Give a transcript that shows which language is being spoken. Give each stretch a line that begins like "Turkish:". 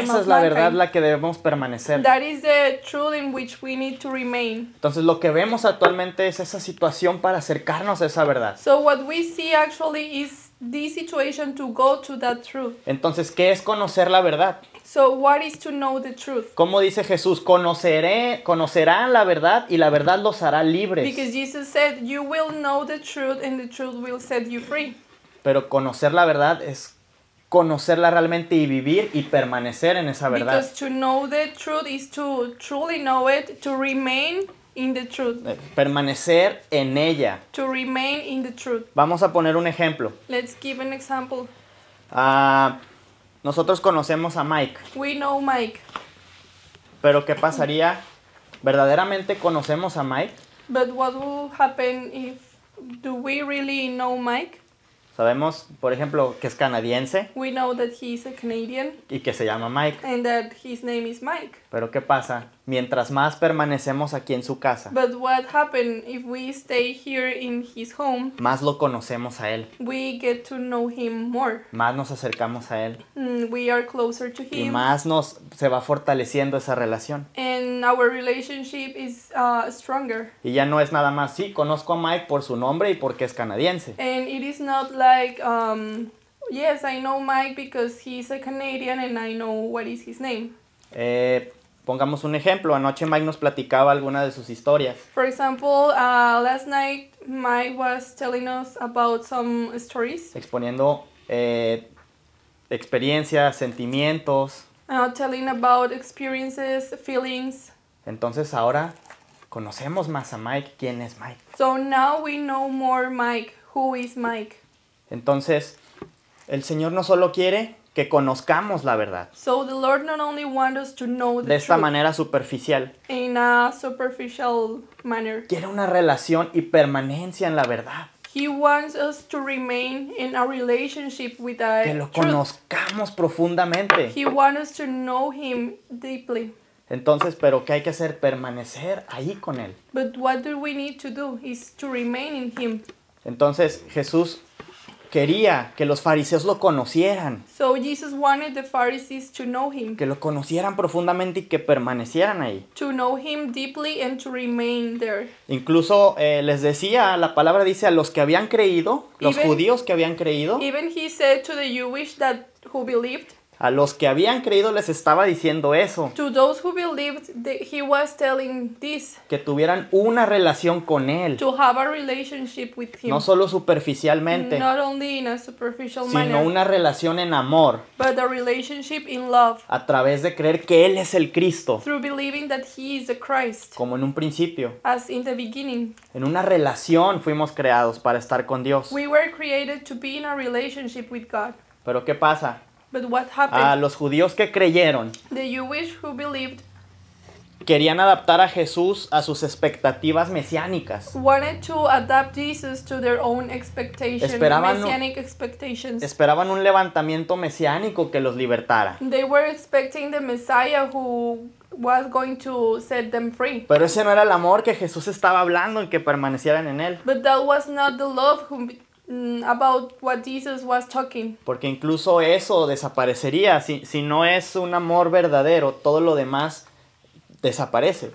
Spanish: esa
English: of
Spanish: es la
English: mankind.
Spanish: Verdad la que debemos permanecer.
English: That is the truth in which we need to remain.
Spanish: Entonces lo que vemos actualmente es esa situación para acercarnos a esa verdad.
English: So what we see actually is this situation to go to that truth.
Spanish: Entonces, ¿qué es conocer la verdad?
English: So what is to know the truth?
Spanish: Como dice Jesús, conocerán la verdad y la verdad los hará libres.
English: Because Jesus said, you will know the truth and the truth will set you free.
Spanish: Pero conocer la verdad es conocerla realmente y vivir y permanecer en esa verdad.
English: Because to know the truth is to truly know it, to remain in the truth.
Spanish: Permanecer en ella.
English: To remain in the truth.
Spanish: Vamos a poner un ejemplo.
English: Let's give an example.
Spanish: Nosotros conocemos a Mike.
English: We know Mike.
Spanish: Pero ¿qué pasaría? ¿Verdaderamente conocemos a Mike?
English: But what will happen if do we really know Mike?
Spanish: Sabemos, por ejemplo, que es canadiense.
English: We know that he's a Canadian.
Spanish: Y que se llama Mike.
English: And that his name is Mike.
Spanish: Pero ¿qué pasa? Mientras más permanecemos aquí en su casa.
English: But what happened if we stay here in his home?
Spanish: Más lo conocemos a él.
English: We get to know him more.
Spanish: Más nos acercamos a él.
English: We are closer to him.
Spanish: Y más nos se va fortaleciendo esa relación.
English: And our relationship is stronger.
Spanish: Y ya no es nada más, sí, conozco a Mike por su nombre y porque es canadiense.
English: And it is not like, yes, I know Mike because he's a Canadian and I know what is his name.
Spanish: Pongamos un ejemplo, anoche Mike nos platicaba alguna de sus historias.
English: For example, last night Mike was telling us about some stories.
Spanish: Exponiendo experiencias, sentimientos.
English: Telling about experiences, feelings.
Spanish: Entonces ahora conocemos más a Mike, ¿quién es Mike?
English: So now we know more Mike, who is Mike?
Spanish: Entonces, el Señor no solo quiere que conozcamos la verdad.
English: So the Lord not only wants us to know the truth.
Spanish: De esta manera superficial.
English: In a superficial manner.
Spanish: Quiere una relación y permanencia en la verdad.
English: He wants us to remain in a relationship with the truth.
Spanish: Que lo conozcamos profundamente.
English: He wants us to know him deeply.
Spanish: Entonces, ¿pero qué hay que hacer? Permanecer ahí con él.
English: But what do we need to do is to remain in him.
Spanish: Entonces, Jesús quería que los fariseos lo conocieran.
English: So Jesus wanted the Pharisees to know him.
Spanish: Que lo conocieran profundamente y que permanecieran ahí.
English: To know him deeply and to remain there.
Spanish: Incluso les decía, la palabra dice, a los que habían creído, los judíos que habían creído.
English: Even he said to the Jewish that who believed.
Spanish: A los que habían creído les estaba diciendo eso.
English: To those who believed, he was telling this.
Spanish: Que tuvieran una relación con él.
English: To have a relationship with him.
Spanish: No solo superficialmente.
English: Not only in a superficial
Spanish: sino
English: manner.
Spanish: Sino una relación en amor.
English: But a relationship in love.
Spanish: A través de creer que él es el Cristo.
English: Through believing that he is the Christ.
Spanish: Como en un principio.
English: As in the beginning.
Spanish: En una relación fuimos creados para estar con Dios.
English: We were created to be in a relationship with God.
Spanish: Pero ¿qué pasa?
English: But what happened?
Spanish: A los judíos que creyeron.
English: The Jewish who believed.
Spanish: Querían adaptar a Jesús a sus expectativas mesiánicas.
English: Wanted to adapt Jesus to their own expectations.
Spanish: Esperaban
English: messianic expectations.
Spanish: Esperaban un levantamiento mesiánico que los libertara.
English: They were expecting the Messiah who was going to set them free.
Spanish: Pero ese no era el amor que Jesús estaba hablando en que permanecieran en él.
English: But that was not the love whom about what Jesus was talking.
Spanish: Porque incluso eso desaparecería. Si no es un amor verdadero, todo lo demás desaparece.